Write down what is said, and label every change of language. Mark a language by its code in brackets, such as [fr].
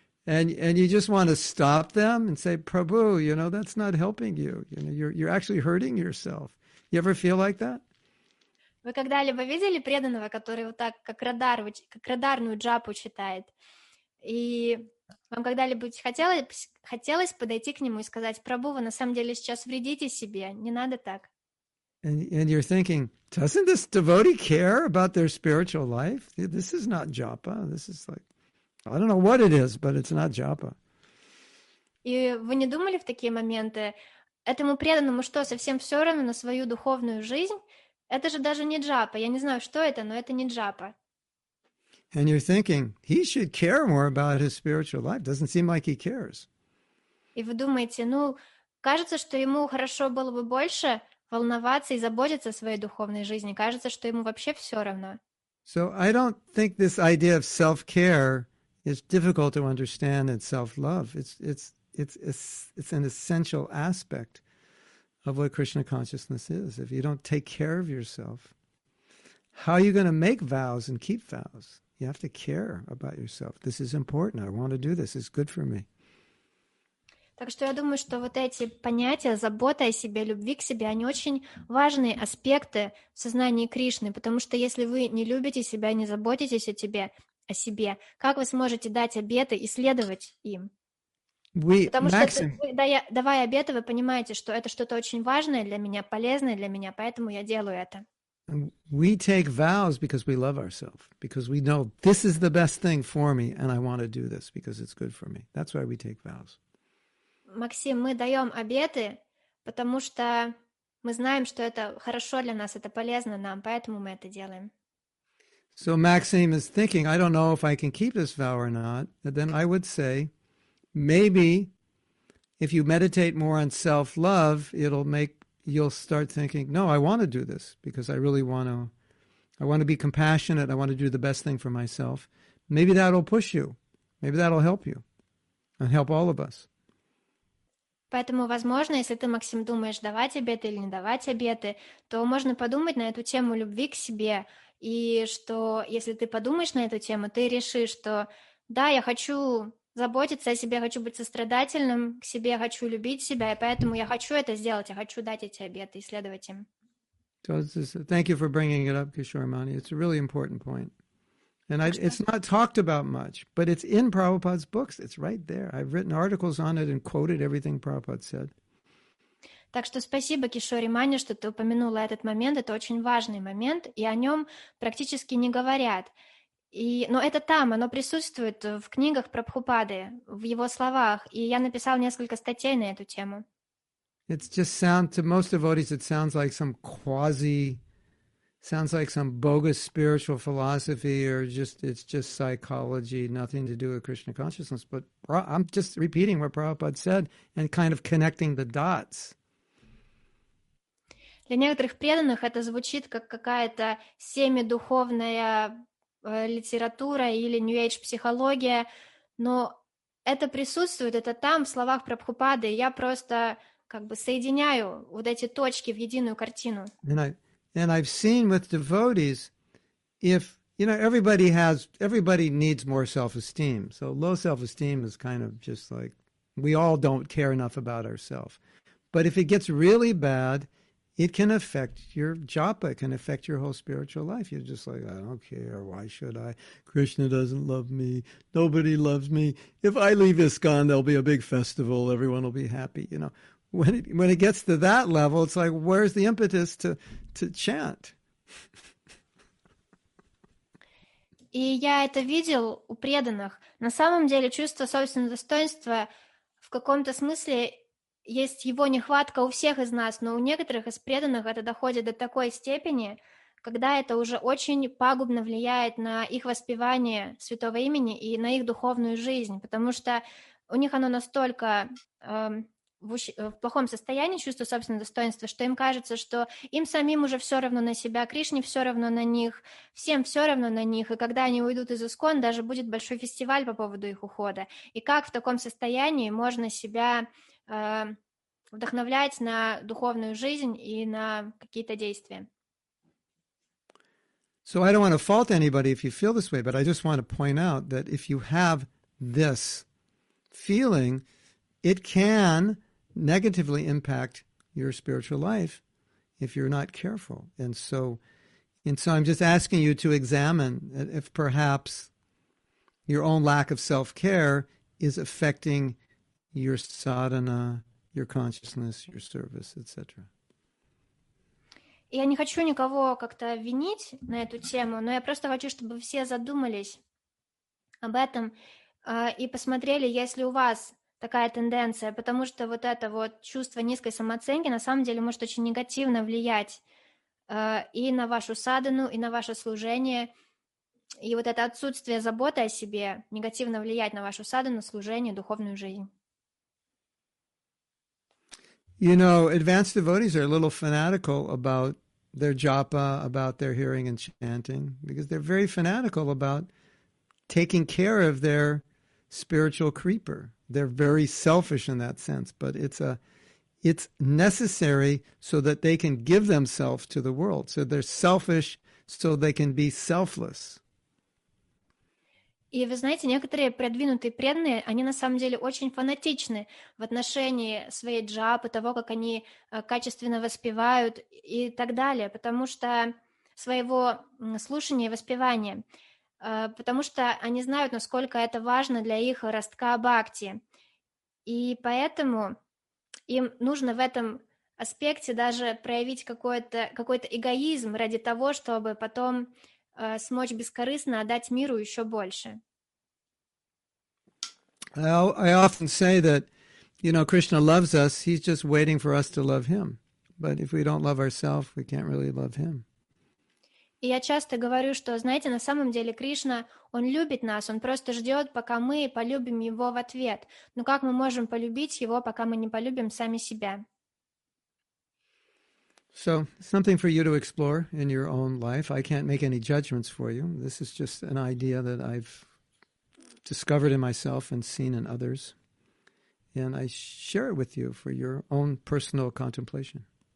[en] And you just want to stop them and say, Prabhu, you know, that's not helping you. You know, you're actually hurting yourself. You ever feel like that? [ru] Вы когда-либо видели преданного, который вот так, как радарную джапу читает, и Вам когда-нибудь хотелось подойти к нему и сказать: «Прабу, вы на самом деле сейчас вредите себе, не надо так». [en] And you're thinking, doesn't this devotee care about their spiritual life? This is not japa. This is like, I don't know what it is, but it's not japa. [ru] И вы не думали в такие моменты, этому преданному что, совсем все равно на свою духовную жизнь? Это же даже не джапа. Я не знаю, что это, но это не джапа. [en] And you're thinking, he should care more about his spiritual life. Doesn't seem like he cares. [ru] И вы думаете, ну, кажется, что ему хорошо было бы больше волноваться и заботиться о своей духовной жизни. Кажется, что ему вообще все равно. [en] So I don't think this idea of self-care is difficult to understand in self-love. It's an essential aspect of what Krishna consciousness is. If you don't take care of yourself, how are you going to make vows and keep vows? You have to care about yourself. This is important. I want to do this. It's good for me. [ru] Так что я думаю, что вот эти понятия, забота о себе, любви к себе, они очень важные аспекты в сознании Кришны, потому что если вы не любите себя, не заботитесь о себе, как вы сможете дать обеты и следовать им? Давая обеты, вы понимаете, что это что-то очень важное для меня, полезное для меня, поэтому я делаю это. [en] We take vows because we love ourselves, because we know this is the best thing for me, and I want to do this because it's good for me. That's why we take vows. [ru] Максим, мы даем обеты, потому что мы знаем, что это хорошо для нас, это полезно нам, поэтому мы это делаем. [en] So Maxim is thinking, I don't know if I can keep this vow or not. And then I would say, maybe if you meditate more on self-love, you'll start thinking, no, I want to do this because I really want to. I want to be compassionate. I want to do the best thing for myself. Maybe that'll push you. Maybe that'll help you, and help all of us. [ru] Поэтому, возможно, если ты, Максим, думаешь, давать обеты или не давать обеты, то можно подумать на эту тему любви к себе, и что, если ты подумаешь на эту тему, ты решишь, что да, я хочу заботиться о себе, хочу быть сострадательным к себе, хочу любить себя, и поэтому я хочу это сделать, я хочу дать эти обеты и следовать им. [en] Thank you for bringing it up, Kishore Mani. It's a really important point. And it's not talked about much, but it's in Prabhupada's books. It's right there. I've written articles on it and quoted everything Prabhupada said. [ru] Так что спасибо, Кишори Мани, что ты упомянула этот момент. Это очень важный момент, и о нем практически не говорят. Но это там, оно присутствует в книгах Прабхупады, в его словах. И я написала несколько статей на эту тему. [en] It's just sound to most devotees, it sounds like some quasi. Sounds like some bogus spiritual philosophy, or it's just psychology, nothing to do with Krishna consciousness. But I'm just repeating what Prabhupada said and kind of connecting the dots. [ru] Для некоторых преданных это звучит как какая-то семидуховная литература или New Age психология, но это присутствует, это там в словах Прабхупады. Я просто как бы соединяю вот эти точки в единую картину. [en] And I've seen with devotees, if, you know, everybody needs more self-esteem. So low self-esteem is kind of just like, we all don't care enough about ourselves. But if it gets really bad, it can affect your japa, it can affect your whole spiritual life. You're just like, I don't care, why should I? Krishna doesn't love me, nobody loves me. If I leave ISKCON, there'll be a big festival, everyone will be happy, you know. When it gets to that level, it's like, where's the impetus to chant? [ru] И я это видел у преданных. На самом деле чувство собственного достоинства в каком-то смысле есть его нехватка у всех из нас, но у некоторых из преданных это доходит до такой степени, когда это уже очень пагубно влияет на их воспевание святого имени и на их духовную жизнь, потому что у них оно настолько в плохом состоянии чувство собственного достоинства, что им кажется, что им самим уже все равно на себя, Кришне все равно на них, всем все равно на них, и когда они уйдут из ИСКОН, даже будет большой фестиваль по поводу их ухода. И как в таком состоянии можно себя вдохновлять на духовную жизнь и на какие-то действия? [en] So I don't want to fault anybody if you feel this way, but I just want to point out that if you have this feeling, it can negatively impact your spiritual life if you're not careful. And so I'm just asking you to examine if perhaps your own lack of self-care is affecting your sadhana, your consciousness, your service, etc. [ru] Я не хочу никого как-то винить на эту тему, но я просто хочу, чтобы все задумались об этом и посмотрели, есть ли у вас такая тенденция, потому что вот это вот чувство низкой самооценки на самом деле может очень негативно влиять и на вашу садхану, и на ваше служение, и вот это отсутствие заботы о себе негативно влиять на вашу садхану, служение, духовную жизнь. [en] You know, advanced devotees are a little fanatical about their japa, about their hearing and chanting, because they're very fanatical about taking care of their spiritual creeper. They're very selfish in that sense, but it's necessary so that they can give themselves to the world. So they're selfish so they can be selfless. [ru] И вы знаете, некоторые продвинутые преданные, они на самом деле очень фанатичны в отношении своей джапы, того, как они качественно воспевают и так далее, потому что своего слушания и воспевания, потому что они знают, насколько это важно для их ростка бхакти. И поэтому им нужно в этом аспекте даже проявить какой-то эгоизм ради того, чтобы потом смочь бескорыстно отдать миру еще больше. [en] I often say that, you know, Krishna loves us, he's just waiting for us to love him. But if we don't love ourselves, we can't really love him. [ru] И я часто говорю, что, знаете, на самом деле Кришна, он любит нас, он просто ждет, пока мы полюбим его в ответ. Но как мы можем полюбить его, пока мы не полюбим сами себя? [en] So, something for you to explore in your own life. I can't make any judgments for you. This is just an idea that I've discovered in myself and seen in others. And I share it with you for your own personal contemplation.